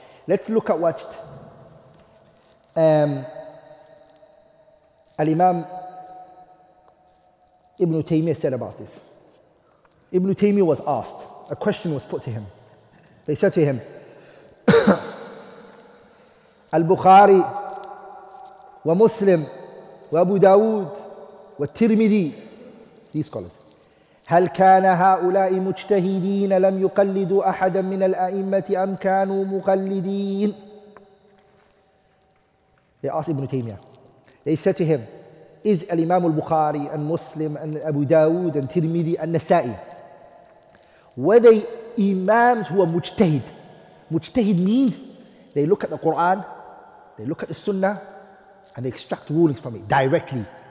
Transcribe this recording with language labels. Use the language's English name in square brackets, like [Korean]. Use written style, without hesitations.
[English] Let's look at what Al-Imam Ibn Taymiyyah said about this. Ibn Taymiyyah was asked, a question was put to him. They said to him, Al-Bukhari wa Muslim wa Abu Dawood wa Tirmidhi, these scholars. [Arabic] هل كان هؤلاء مجتهدين لم يقلدوا أحدا من الأئمة أم كانوا مقلدين؟ [English] They asked Ibn Taymiyyah. They said to him, "Is Imam al-Bukhari and Muslim and Abu Dawood and Tirmidhi and Nasa'i, were they imams who are mujtahid?" Mujtahid means they look at the Quran They look at the sunnah and they extract rulings from it directly.